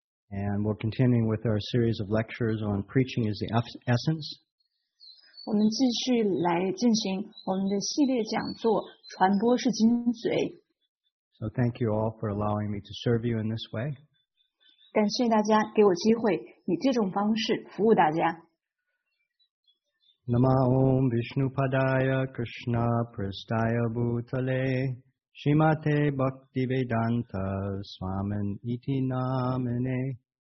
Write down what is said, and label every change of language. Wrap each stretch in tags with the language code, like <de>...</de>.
<en>And we're continuing with our series of lectures on preaching is the essence.</en> <zh>我们继续来进行我们的系列讲座，传播是精髓。</zh> <en>So thank you all for allowing me to serve you in this way.</en> <zh>感谢大家给我机会以这种方式服务大家。</zh> <sa>Nama Om Vishnu Padaya Krishna Prasthaya Bhutale Shrimate Bhakti Vedanta Swamin Iti Namine</sa>